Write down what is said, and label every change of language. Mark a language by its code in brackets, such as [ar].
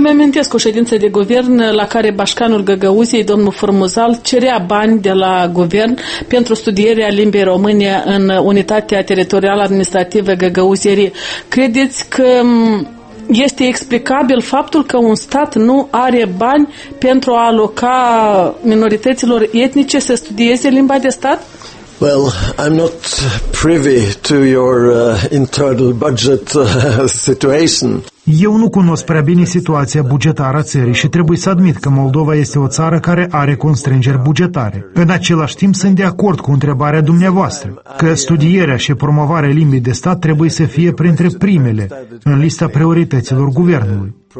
[ro] mi-amintesc o ședință de guvern la care bașcanul Găgăuziei, domnul Formuzal, cerea bani de la guvern pentru studierea limbii române în unitatea teritorială administrativă Găgăuzierii. Credeți că este explicabil faptul că un stat nu are bani pentru a aloca minorităților etnice să studieze limba de stat? [en] Well, I'm not privy to your internal budget situation. [ro] Eu nu cunosc prea bine situația bugetară a țării și trebuie să admit că Moldova este o țară care are constrângeri bugetare. În același timp, sunt de acord cu întrebarea dumneavoastră, că studierea și promovarea limbii de stat trebuie să fie printre primele în lista priorităților guvernului.